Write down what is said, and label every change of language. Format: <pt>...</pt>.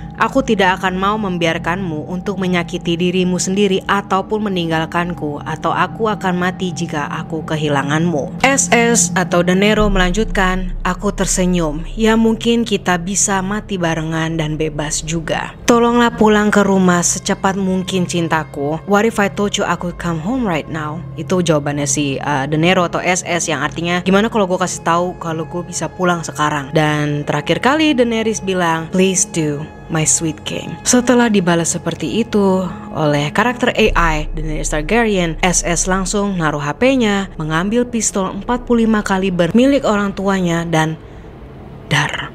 <id>Aku tidak akan mau membiarkanmu untuk menyakiti dirimu sendiri ataupun meninggalkanku, atau aku akan mati jika aku kehilanganmu. SS atau De Niro melanjutkan, aku tersenyum. Ya mungkin kita bisa mati barengan dan bebas juga. Tolonglah pulang ke rumah secepat mungkin cintaku.</id> <en>What if I told you I could come home right now?</en> <id>Itu jawabannya si De Niro atau SS, yang artinya gimana kalau gue kasih tahu kalau gue bisa pulang sekarang. Dan terakhir kali Daenerys bilang,</id> <en>please do, my sweet king.</en> <id>Setelah dibalas seperti itu oleh karakter AI Daenerys Targaryen, SS langsung naruh HP-nya, mengambil pistol 45 kaliber milik orang tuanya dan dar.</id>